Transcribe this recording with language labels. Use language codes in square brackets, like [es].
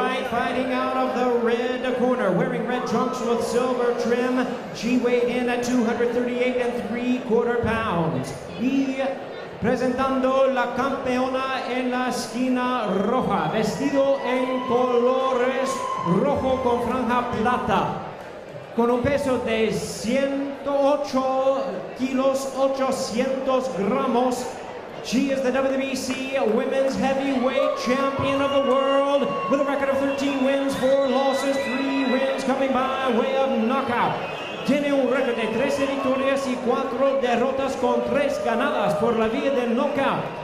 [en] Fighting out of the red corner, wearing red trunks with silver trim. She weighed in at 238 and 3/4 pounds. [es] Y presentando la campeona en la esquina roja, vestido en colores rojo con franja plata, con un peso de 108 kilos 800 gramos. [en] She is the WBC Women's Heavyweight Champion of the World with a record of 13 wins, 4 losses, 3 wins coming by way of knockout. [es] Tiene un récord de 13 victorias y 4 derrotas con 3 ganadas por la vía del knockout.